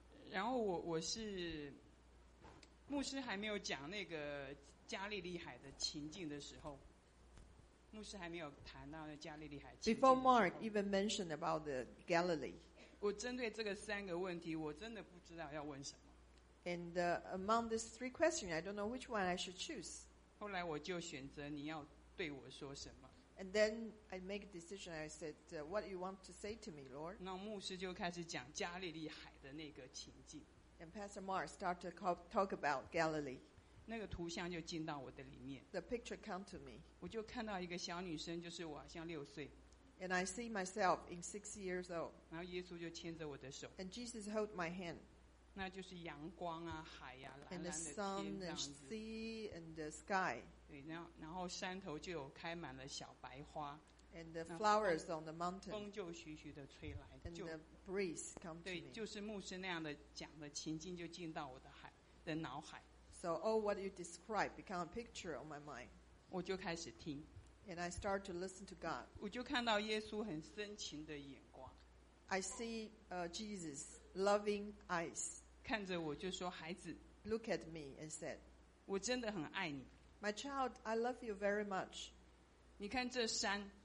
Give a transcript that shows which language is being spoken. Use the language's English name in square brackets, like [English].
[Chinese] 然后我是牧师还没有讲那个加利利海的情境的时候，牧师还没有谈到那加利利海情境。 [English] Before Mark even mentioned about the Galilee, [Chinese] 我针对这个三个问题，我真的不知道要问什么。 [English] And among these three questions, I don't know which one I should choose. [Chinese] 后来我就选择你要对我说什么。 [English] And then I make a decision. I said, "What do you want to say to me, Lord?" [Chinese] 那牧师就开始讲加利利海的那个情境。 [English] And Pastor Mark started to talk about Galilee. [Chinese] 那个图像就进到我的里面。 [English] The picture came to me. [Chinese] 我就看到一个小女生，就是我，像六岁。 [English] And I see myself in 6 years old. [Chinese] 然后耶稣就牵着我的手。 [English] And Jesus held my hand. [Chinese] 那就是阳光啊，海啊，蓝蓝的天这样子。 [English] And the sun, the sea, and the sky. [Chinese] 对，然后山头就有开满了小白花。 [English] And the flowers on the mountain. [Chinese] 风就徐徐的吹来。 [English] And the breeze comes. [Chinese] 对，就是牧师那样的讲的情境就进到我的海的脑海。 [English] So all what you describe become a picture on my mind. [Chinese] 我就开始听。 [English] And I start to listen to God. [Chinese] 我就看到耶稣很深情的眼光。 [English] I see Jesus loving eyes. [Chinese] 看着我就说，孩子。 [English] Look at me and said, [Chinese] 我真的很爱你。 [English] My child, I love you very much. [Chinese] 你看这山。